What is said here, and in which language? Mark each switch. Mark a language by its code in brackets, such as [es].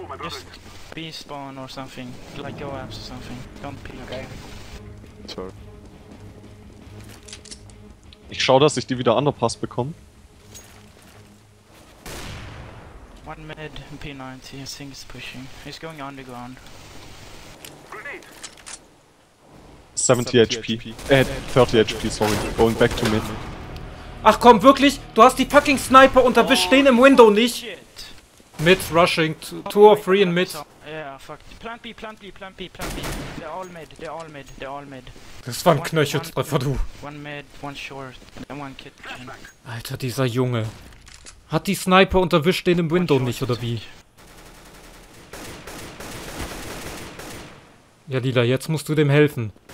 [en] Just be spawn or something. Like go abs or something. Don't peek. Okay. Sorry. [de] Ich schau, dass ich die wieder underpass bekomme. [en] One mid, P90, I think he's pushing. He's going underground. Grenade. 30 HP, sorry. Going back to mid. [de] Ach komm, wirklich? Du hast die fucking Sniper und da wir stehen im Window nicht. [en] Shit. Mid rushing, 2 or 3 in mid. Yeah, fuck. Plant B. They're all mid. [de] Das war ein Knöcheltreffer, du. [en] One mid, one short, and one kid. [de] Alter, dieser Junge. Hat die Sniper unterwischt den im Window nicht, oder wie? Ja, Lila, jetzt musst du dem helfen.